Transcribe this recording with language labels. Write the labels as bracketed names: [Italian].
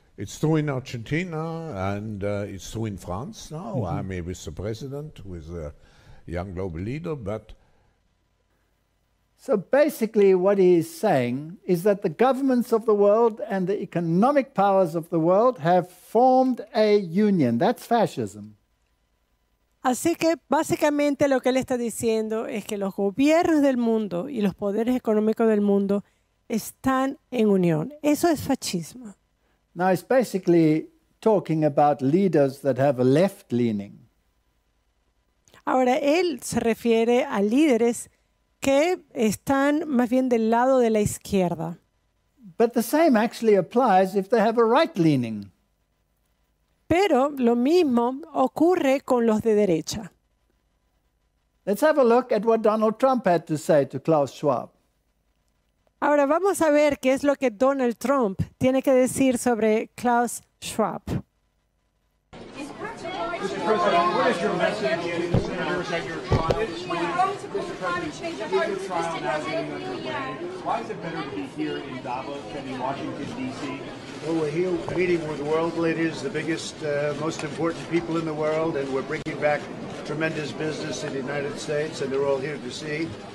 [English] It's true in Argentina, and it's true in France now. Mm-hmm. I'm here with the president, who is a young global leader, but... So basically what he is saying is that the governments of the world and the economic powers of the world have formed a union. That's fascism. [Spanish] Así que básicamente lo que él está diciendo es que los gobiernos del mundo y los poderes económicos del mundo están en unión. Eso es fascismo. [English] Now it's basically talking about leaders that have a left leaning. [Spanish] Ahora él se refiere a líderes que están más bien del lado de la izquierda. [English] But the same actually applies if they have a right leaning. [Spanish] Pero lo mismo ocurre con los de derecha. [English] Let's have a look at what Donald Trump had to say to Klaus Schwab. [Spanish] Ahora vamos a ver qué es lo que Donald Trump tiene que decir sobre Klaus Schwab. [English] Mr. President, what is your message to the senators at your trial this morning? We're going to call climate change a hard trial now getting underway. Why is it better to be here in Davos than in Washington, D.C.? Well, we're here meeting with world leaders, the biggest, most important people in the world, and we're bringing back tremendous business in the United States, and they're all here to see.